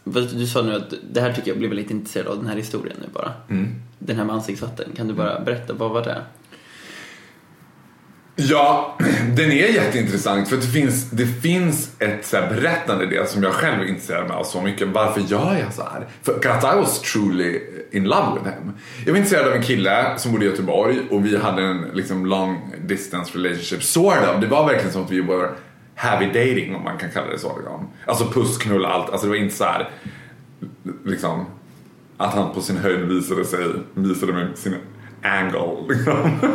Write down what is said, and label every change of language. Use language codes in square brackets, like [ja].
[sv] Du sa nu att det här tycker jag blir väldigt intresserad av, den här historien nu bara. Mm. Den här med ansiktsvatten, kan du bara berätta, vad var det? Ja, den är jätteintressant. För det finns ett så här berättande i det som jag själv intresserar mig av så mycket. Varför gör jag så här? För att [en] I was truly in love with him. [sv] Jag var intresserad av en kille som bodde i Göteborg. Och vi hade en liksom [en] long distance relationship. Sort of. [sv] Det var verkligen som att vi var [en] heavy dating, [sv] om man kan kalla det så. Alltså puss, knull, allt. Alltså det var inte så här liksom att han på sin höjd visade med sin angle liksom.